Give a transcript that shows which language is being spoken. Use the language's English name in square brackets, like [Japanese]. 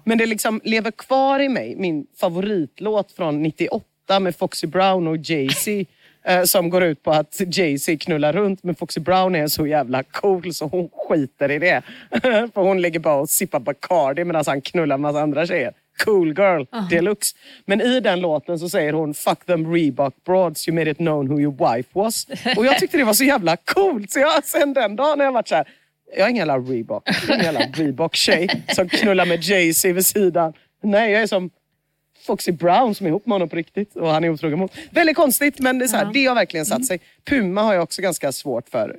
[Swedish] Men det liksom lever kvar i mig, min favoritlåt från 98 med Foxy Brown och Jay-Z. Som går ut på att Jay-Z knullar runt, men Foxy Brown är så jävla cool så hon skiter i det. För hon ligger bara och sippar Bacardi medan han knullar en massa andra tjejer. [English] Cool girl, deluxe. [Swedish] Men i den låten så säger hon [English] fuck them Reebok broads, you made it known who your wife was. [Swedish] Och jag tyckte det var så jävla coolt. Så jag sen den dagen när jag varit så här, jag är ingen jävla Reebok. Ingen jävla Reebok-tjej som knullar med Jay-Z vid sidan. Nej, jag är som Foxy Brown som är ihop med honom på riktigt. Och han är otrogen mot. Väldigt konstigt, men det är så här, det har verkligen satt sig. Puma har jag också ganska svårt för.